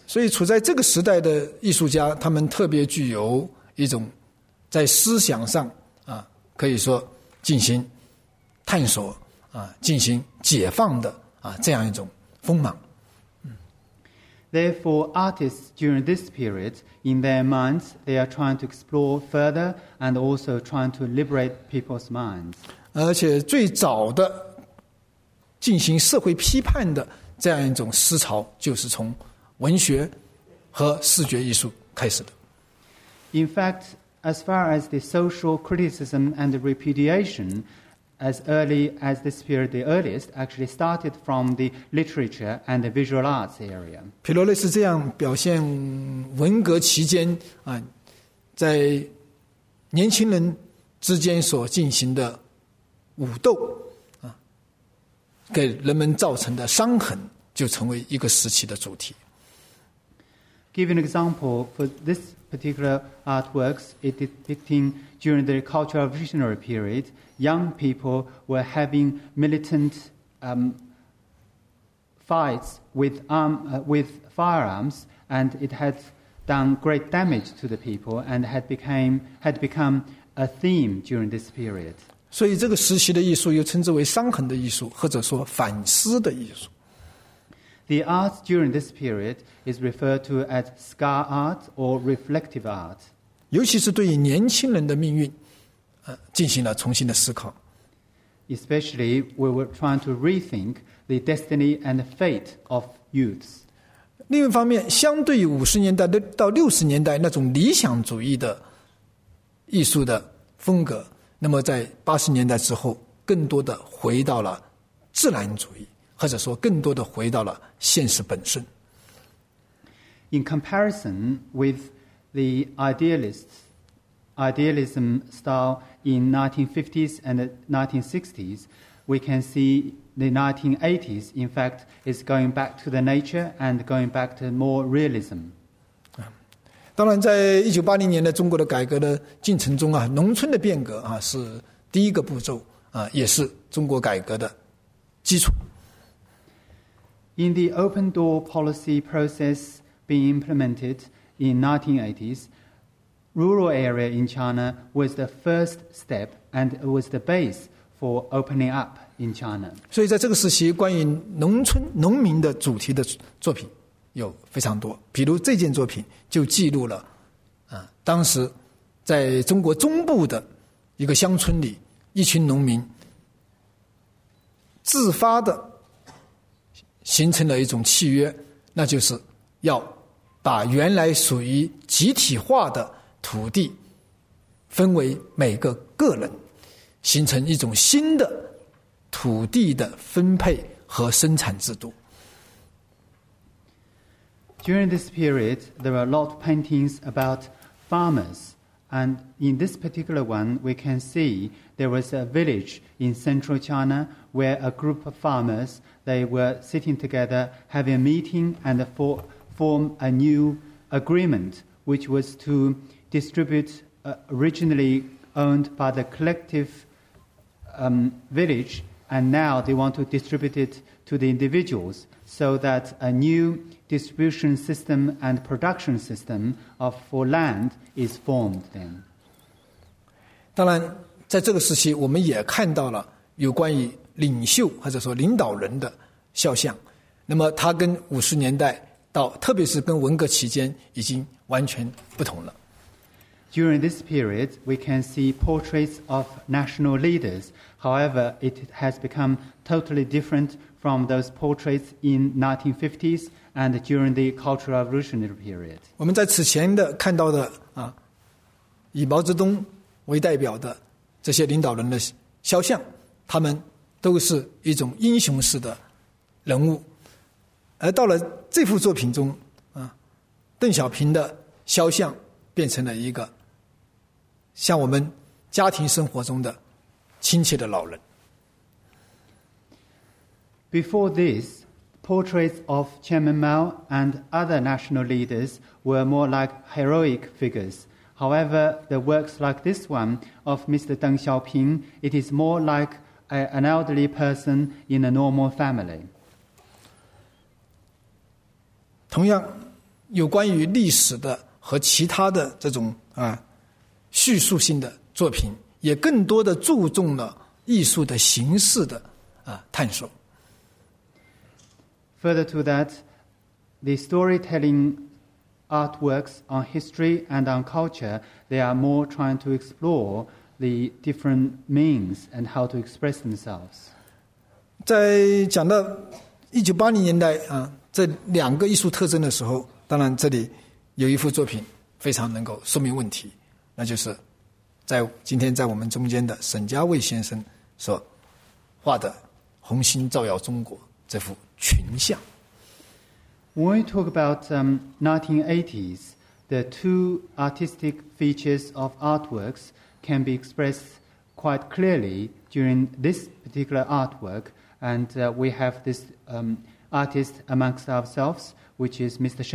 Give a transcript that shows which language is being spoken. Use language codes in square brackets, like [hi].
[zh] 所以处在这个时代的艺术家，他们特别具有一种在思想上可以说进行探索进行解放的这样一种锋芒。 [en] Therefore, artists during this period, in their minds, they are trying to explore further and also trying to liberate people's minds. [zh] 而且最早的进行社会批判的这样一种思潮，就是从文学和视觉艺术开始的。 [en] In fact, as far as the social criticism and the repudiation, as early as this period, the earliest actually started from the literature and the visual arts area. [zh] 皮罗类是这样表现文革期间在年轻人之间所进行的武斗给人们造成的伤痕，就成为一个时期的主题。 [en] Give an example for this particular artworks, it depicting during the Cultural Revolutionary period, young people were having militant fights with firearms, and it had done great damage to the people, and had become a theme during this period. [zh] 所以这个时期的艺术又称之为伤痕的艺术，或者说反思的艺术。 [en] The art during this period is referred to as scar art or reflective art. [zh] 尤其是对于年轻人的命运进行了重新的思考。 [en] Especially, we were trying to rethink the destiny and the fate of youths. [zh] 另一方面，相对于50年代到60年代那种理想主义的艺术的风格，那么在80年代之后，更多的回到了自然主义。或者说更多的回到了现实本身。 [en] In comparison with the idealism style in 1950s and 1960s, we can see the 1980s, in fact, is going back to the nature and going back to more realism. [zh] 当然在1980年的中国的改革的进程中啊，农村的变革啊是第一个步骤啊，也是中国改革的基础。 [en] In the open door policy process being implemented in 1980s, rural area in China was the first step and it was the base for opening up in China. [zh] 所以在这个时期关于农村农民的主题的作品有非常多，比如这件作品就记录了当时在中国中部的一个乡村里一群农民自发的形成了一种契约，那就是要把原来属于集体化的土地分为每个个人，形成一种新的土地的分配和生产制度。 [en] During this period, there are a lot of paintings about farmers. And in this particular one, we can see there was a village in central China where a group of farmers, they were sitting together, having a meeting and form a new agreement, which was to distribute originally owned by the collective village, and now they want to distribute it to the individuals so that a newdistribution system and production system of for land is formed then. [zh] 当然在这个时期我们也看到了有关于领袖或者说领导人的肖像，那么他跟五十年代到特别是跟文革期间已经完全不同了。 [en] During this period, we can see portraits of national leaders. However, it has become totally different from those portraits in 1950sand during the Cultural Revolutionary period. [zh] 我们在此前的看到的以毛泽东为代表的这些领导人的肖像，他们都是一种英雄式的人物。而到了这幅作品中邓小平的肖像变成了一个像我们家庭生活中的亲切的老人。 [en] Before this,portraits of Chairman Mao and other national leaders were more like heroic figures. However, the works like this one of Mr. Deng Xiaoping, it is more like an elderly person in a normal family. [zh] 同样，有关于历史的和其他的这种叙述性的作品，也更多的注重了艺术的形式的探索。 [en] Further to that, the storytelling artworks on history and on culture, they are more trying to explore the different means and how to express themselves. [zh] 在讲到1980年代这两个艺术特征的时候，当然这里有一幅作品非常能够说明问题，那就是在今天在我们中间的沈佳卫先生所画的《红星照耀中国》这幅群像。 [en] When we talk about 1980s, the two artistic features of artworks can be expressed quite clearly during this particular artwork, and we have this artist amongst ourselves, which is Mr.